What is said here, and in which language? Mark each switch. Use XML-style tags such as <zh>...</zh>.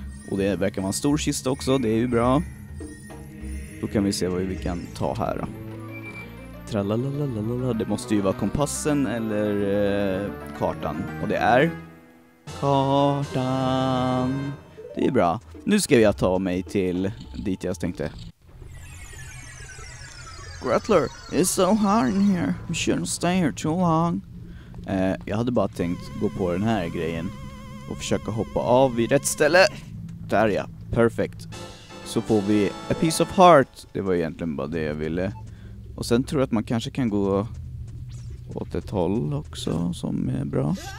<sv>Och det verkar vara en stor kista också. Det är ju bra. Då kan vi se vad vi kan ta här då. Tralalalalala. Det måste ju vara kompassen eller kartan. Och det är... Kartan. Det är bra. Nu ska jag ta mig till dit jag tänkte.</sv> <en>Gretler, it's so hot in here. We shouldn't stay here too long.</en> <sv>Jag hade bara tänkt gå på den här grejen. Och försöka hoppa av vid rätt ställe. Där ja, perfekt. Så får vi</sv> <en>a piece of heart.</en> <sv>Det var egentligen bara det jag ville. Och sen tror jag att man kanske kan gå åt ett håll också, som är bra.</sv>